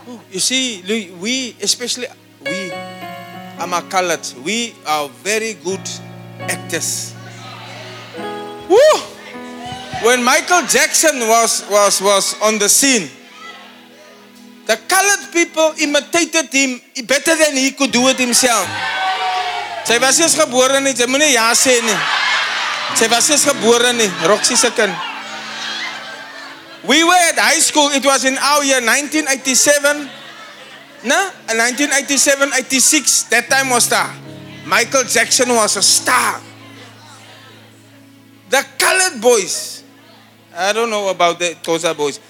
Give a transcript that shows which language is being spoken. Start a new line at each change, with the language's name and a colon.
English: You see, we, especially we, I'm a colored, we are very good actors. Woo! When Michael Jackson was on the scene, the colored people imitated him better than he could do it himself.
Afrikaans: Sy was eers gebore nie, sy moet nie ja sê nie. Sy was eers gebore nie, Roxy se kind.
English: We were at high school, it was in our year 1987. Na, 1987, 86, that time was star. Michael Jackson was a star. The colored boys, I don't know about the Xhosa boys.